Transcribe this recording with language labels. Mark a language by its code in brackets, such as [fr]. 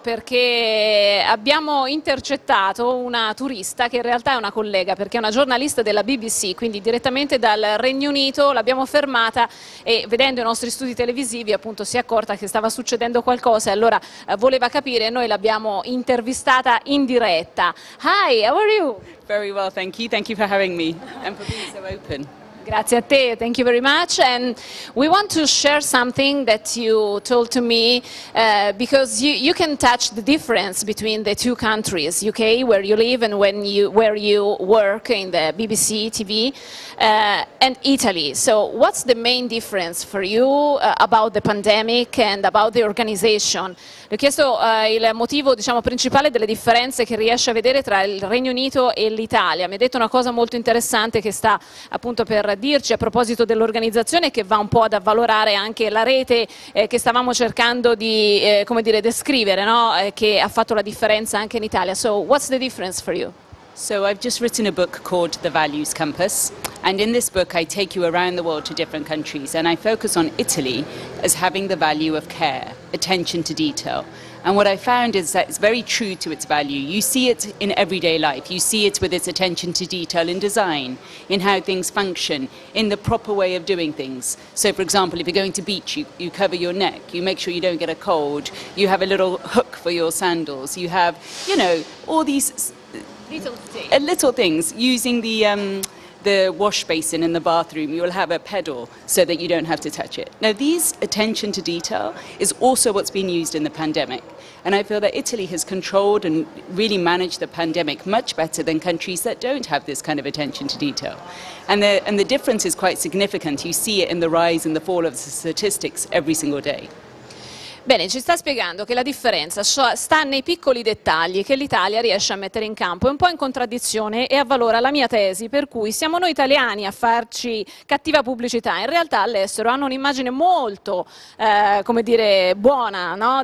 [it] Perché abbiamo intercettato una turista che in realtà è una collega, perché è una giornalista della BBC, quindi direttamente dal Regno Unito, l'abbiamo fermata e vedendo i nostri studi televisivi appunto si è accorta che stava succedendo qualcosa e allora voleva capire, noi l'abbiamo intervistata in diretta. [en] Hi, how are you? Very well, thank you for having me and for being so open. [it] Grazie a te, [en] thank you very much. And we want to share something that you told to me because you can touch the difference between the two countries, UK where you live and where you work in the BBC TV and Italy. So what's the main difference for you about the pandemic and about the organization? [it] Le ho chiesto il motivo, diciamo, principale delle differenze che riesce a vedere tra il Regno Unito e l'Italia. Mi ha detto una cosa molto interessante che sta appunto per dirci a proposito dell'organizzazione, che va un po' ad avvalorare anche la rete che stavamo cercando di come dire descrivere, no? Che ha fatto la differenza anche in Italia. [en] So what's the difference for you? So I've just written a book called The Values Compass, and in this book I take you around the world to different countries and I focus on Italy as having the value of care, attention to detail. And what I found is that it's very true to its value. You see it in everyday life. You see it with its attention to detail in design, in how things function, in the proper way of doing things. So, for example, if you're going to beach, you cover your neck, you make sure you don't get a cold, you have a little hook for your sandals, you have, you know, all these little things. Using the wash basin in the bathroom, you'll have a pedal so that you don't have to touch it. Now, these attention to detail is also what's been used in the pandemic. And I feel that Italy has controlled and really managed the pandemic much better than countries that don't have this kind of attention to detail. And the difference is quite significant. You see it in the rise and the fall of the statistics every single day. [it] Bene, ci sta spiegando che la differenza sta nei piccoli dettagli che l'Italia riesce a mettere in campo, è un po' in contraddizione e avvalora la mia tesi per cui siamo noi italiani a farci cattiva pubblicità, in realtà all'estero hanno un'immagine molto come dire, buona, no?